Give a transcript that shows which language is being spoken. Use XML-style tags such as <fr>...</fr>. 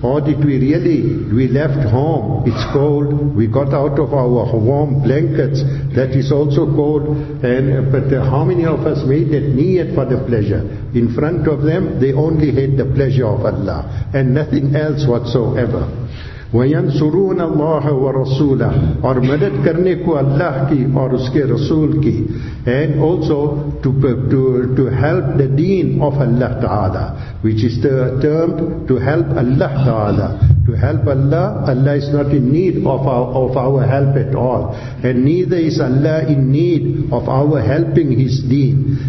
<en>Or did we really, we left home, it's cold, we got out of our warm blankets, that is also cold. But how many of us made that niyat for the pleasure? In front of them, they only had the pleasure of Allah and nothing else whatsoever.</en> <ar>وَيَنْصُرُونَ اللَّهَ وَرَسُولَهُ.</ar> <ur>اور مدد کرنے کو اللہ کی اور اس کے رسول کی.</ur> <en>And also to help the deen of Allah Ta'ala, which is termed to help Allah Ta'ala. To help Allah, Allah is not in need of our help at all. And neither is Allah in need of our helping His deen.</en>